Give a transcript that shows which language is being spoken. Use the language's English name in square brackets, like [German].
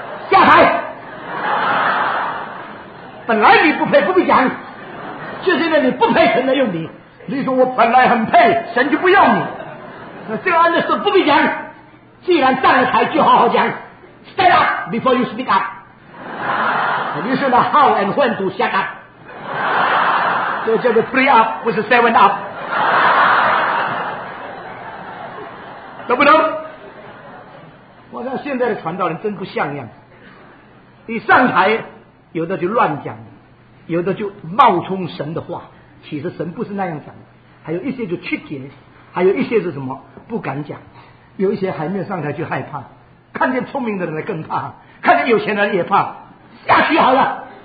[Chinese] 下海，本来你不配，不必讲，就现在你不配，神来用你。你说我本来很配，神就不要你。那这个案子不必讲，既然站了台，就好好讲。 [English] Stand up before you speak up。 [Chinese] 于是呢 ， [English] how and when to shut up， [Chinese] 这叫做 [English] three up， [Chinese] 不是 [English] seven up， [Chinese] 懂不懂？我看现在的传道人真不像样，一上台，有的就乱讲，有的就冒充神的话。其实神不是那样讲的，还有一些就曲解，还有一些是什么不敢讲，有一些还没有上台就害怕，看见聪明的人更怕，看见有钱的人也怕，下去好了。